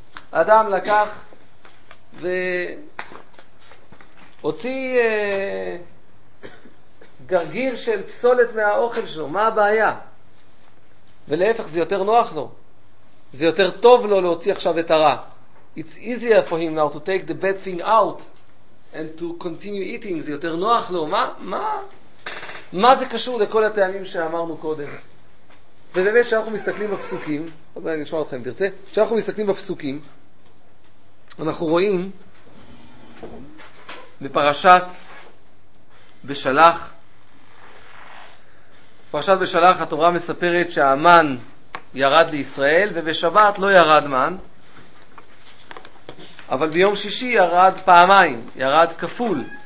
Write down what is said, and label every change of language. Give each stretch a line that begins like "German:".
Hebrew: אדם לקח והוציא גרגיר של פסולת מהאוכל שלו, מה הבעיה? ולהפך, זה יותר נוח לו, זה יותר טוב לו להוציא עכשיו את הרע.
English: It's easier for him now to take the bad thing out and to continue eating.
Hebrew: זה יותר נוח לו. מה זה קשור לכל הטעמים שאמרנו קודם? ובאמת שאנחנו מסתכלים בפסוקים, עוד מעט אני אשמע אתכם אם תרצה, שאנחנו מסתכלים בפסוקים, אנחנו רואים בפרשת בשלח, פרשת בשלח, התורה מספרת שהאמן ירד לישראל, ובשבת לא ירד מן, אבל ביום שישי ירד פעמיים, ירד כפול.